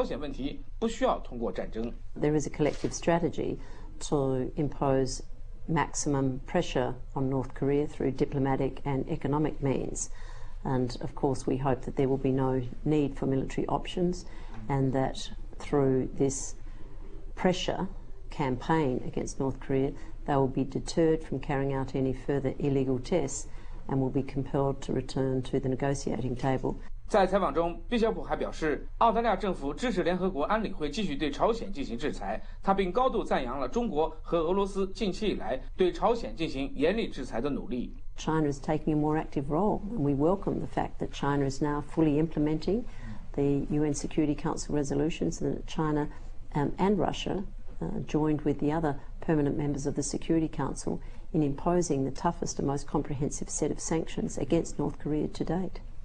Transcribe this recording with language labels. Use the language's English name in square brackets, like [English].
[Chinese] 澳大利亚外交部长毕晓普在韩国接受媒体采访时表示，目前世界各国对朝鲜的外交和经济制裁是有效的。他认为，解决朝鲜问题不需要通过战争。 [English] There is a collective strategy to impose maximum pressure on North Korea through diplomatic and economic means. And of course, we hope that there will be no need for military options and that through this pressure campaign against North Korea, they will be deterred from carrying out any further illegal tests and will be compelled to return to the negotiating table. [Chinese] 在采访中，毕晓普还表示，澳大利亚政府支持联合国安理会继续对朝鲜进行制裁。他并高度赞扬了中国和俄罗斯近期以来对朝鲜进行严厉制裁的努力。China [English] is taking a more active role, and we welcome the fact that China is now fully implementing the UN Security Council resolutions and that China and Russia joined with the other permanent members of the Security Council in imposing the toughest and most comprehensive set of sanctions against North Korea to date.